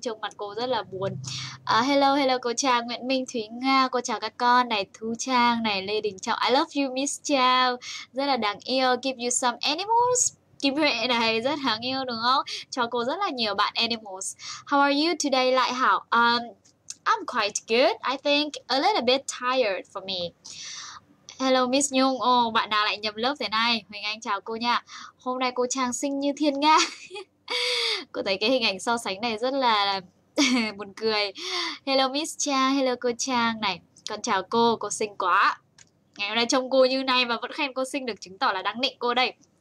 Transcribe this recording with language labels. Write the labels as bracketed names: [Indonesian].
[Vietnamese] Trông mặt cô rất là buồn. [English] Hello hello [Vietnamese] cô Trang, Nguyễn Minh, Thúy Nga, cô chào các con này, Thu Trang này, Lê Đình Trọng, [English] I love you Miss Chow, [Vietnamese] rất là đáng yêu, [English] give you some animals. [Vietnamese] Kim Huệ này rất đáng yêu đúng không? Cho cô rất là nhiều bạn animals. [English] How are you today, Lại Hảo? I'm quite good. I think a little bit tired for me. Hello Miss Nhung. [Vietnamese] Oh, bạn nào lại nhầm lớp thế này? Huỳnh Anh chào cô nha. Hôm nay cô Trang xinh như thiên nga. Cô thấy cái hình ảnh so sánh này rất là buồn cười. [English] Hello Miss Trang. [Vietnamese] Hello cô Trang này. Con chào cô xinh quá. Ngày hôm nay trông cô như này mà vẫn khen cô xinh được chứng tỏ là đáng nịnh cô đây.